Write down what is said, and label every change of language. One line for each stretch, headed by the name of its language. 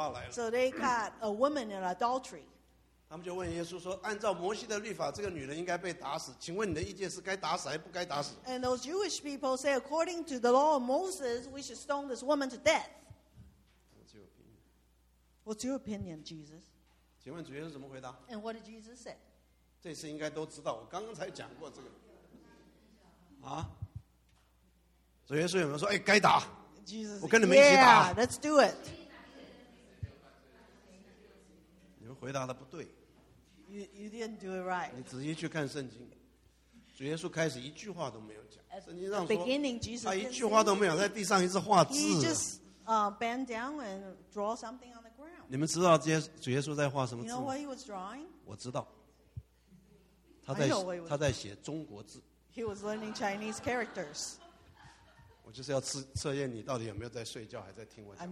English: So they caught a woman in adultery.
Chinese: 他们就问耶稣说, 按照摩西的律法, 这个女人应该被打死, 请问你的意见是该打死还是不该打死?
English: And those Jewish people say, according to the law of Moses, we should stone this woman to death. What's your opinion, Jesus?
Chinese: 请问主耶稣怎么回答?
English: And what did Jesus say?
Chinese: 这次应该都知道, 我刚刚才讲过这个。啊? 主耶稣有没有说, 哎, 该打,
English: Jesus,
Chinese: 我跟你们一起打。
English: Yeah, let's do it.
Chinese: 你们回答的不对。
English: You didn't do it right.
Chinese: 你仔细去看圣经, 主耶稣开始一句话都没有讲, 圣经上说,
English: At the beginning, Jesus
Chinese: 他一句话都没有, 在地上一直画字。
English: He just bend down and draw something on the ground.
Chinese: 你们知道主耶稣在画什么字吗?
English: You know what he was drawing?
Chinese: 我知道, 他在,
English: I know what he was drawing.
Chinese: 他在写中国字。
English: He was learning Chinese characters.
Chinese: 我就是要测验你到底有没有在睡觉还在听我讲道。